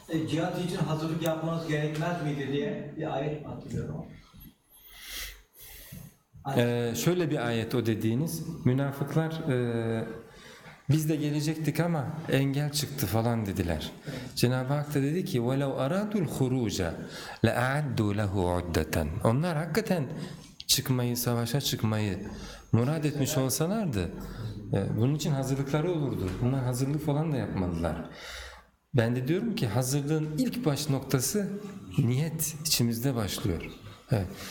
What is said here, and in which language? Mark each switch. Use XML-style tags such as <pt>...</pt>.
<tr>Cihat için hazırlık yapmanız gerekmez miydi diye bir ayet hatırlıyorum. Şöyle bir ayet o dediğiniz, münafıklar biz de gelecektik ama engel çıktı falan dediler. Cenab-ı Hak da dedi ki</tr> <ar>وَلَوْ أَرَادُ الْخُرُوجَ لَاَعَدُّ لَهُ عُدَّةً.</ar> <tr>Onlar hakikaten çıkmayı, savaşa çıkmayı murad etmiş olsalardı, bunun için hazırlıkları olurdu. Bunlar hazırlık falan da yapmadılar. Ben de diyorum ki hazırlığın ilk baş noktası niyet içimizde başlıyor. Evet.</tr>